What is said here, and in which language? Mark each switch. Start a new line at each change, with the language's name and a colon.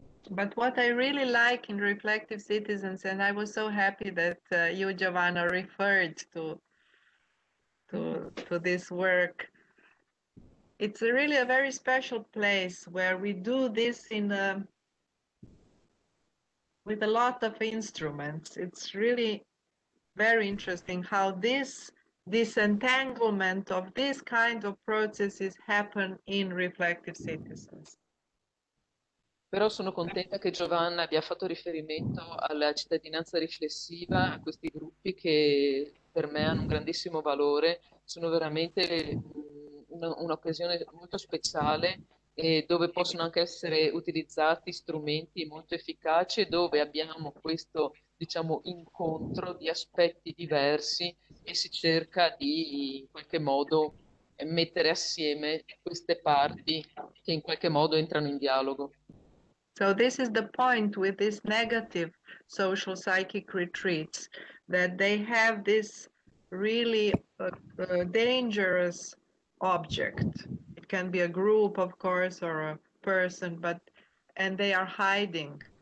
English: But what I really like in Reflective Citizens, and I was so happy that you, Giovanna, referred to this work, it's really a very special place where we do this in a, with a lot of instruments. It's really very interesting how this disentanglement of this kind of processes happen in Reflective Citizens.
Italian: Però sono contenta che Giovanna abbia fatto riferimento alla cittadinanza riflessiva, a questi gruppi che per me hanno un grandissimo valore. Sono veramente un'occasione molto speciale dove possono anche essere utilizzati strumenti molto efficaci e dove abbiamo questo, diciamo, incontro di aspetti diversi e si cerca di in qualche modo mettere assieme queste parti che in qualche modo entrano in dialogo.
English: So this is the point with these negative social psychic retreats, that they have this really dangerous object. It can be a group, of course, or a person, but and they are hiding.